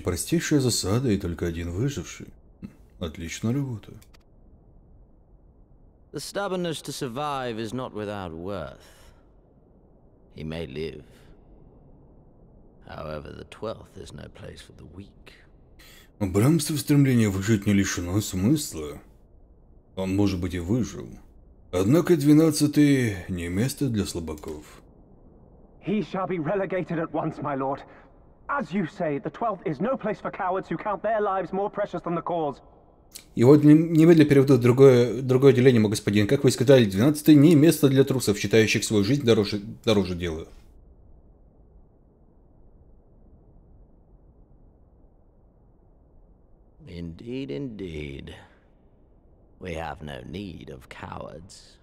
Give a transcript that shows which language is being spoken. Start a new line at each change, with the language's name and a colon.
Russian: Простейшая засада и только один выживший. Отлично работаю.
English: The stubbornness to survive is not without worth. He may live. However, the 12th is no place for the weak.
Russian: Брамство в стремлении выжить не лишено смысла. Он, может быть, и выжил. Однако 12-й не место для слабаков.
English: He shall be relegated at once, my lord. As you say, the 12th is no place for cowards who count their lives more precious than the cause.
Russian: Его немедленно переведут в другое отделение, мой господин. Как вы и сказали, 12-й не место для трусов, считающих свою жизнь дороже дела.
English: Indeed, indeed. We have no need of cowards.